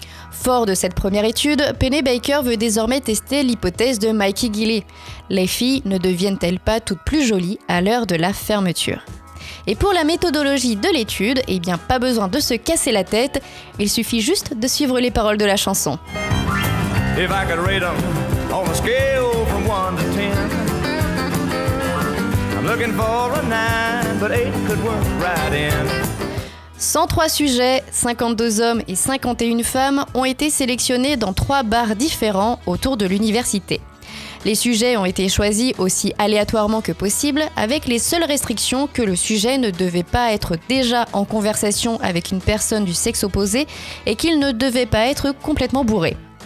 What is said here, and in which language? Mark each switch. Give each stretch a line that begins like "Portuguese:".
French: Fort de cette première étude, Penny Baker veut désormais tester l'hypothèse de Mikey Gilley. Les filles ne deviennent-elles pas toutes plus jolies à l'heure de la fermeture ? Et pour la méthodologie de l'étude, eh bien pas besoin de se casser la tête, il suffit juste de suivre les paroles de la chanson.
English: If I could rate them on a scale from 1 to 10, I'm looking for a 9, but 8 could work right in.
French: 103 sujets, 52 hommes et 51 femmes ont été sélectionnés dans 3 bars différents autour de l'université. Les sujets ont été choisis aussi aléatoirement que possible, avec les seules restrictions que le sujet ne devait pas être déjà en conversation avec une personne du sexe opposé et qu'il ne devait pas être complètement bourré.